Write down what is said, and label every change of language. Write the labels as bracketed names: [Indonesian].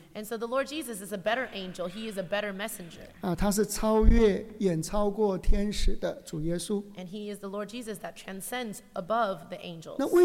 [English] And so the Lord Jesus is a better angel. He is a better messenger. [Chinese] 他是超越、远超过天使的主耶稣。 [English] And he is the Lord Jesus that transcends above the angels.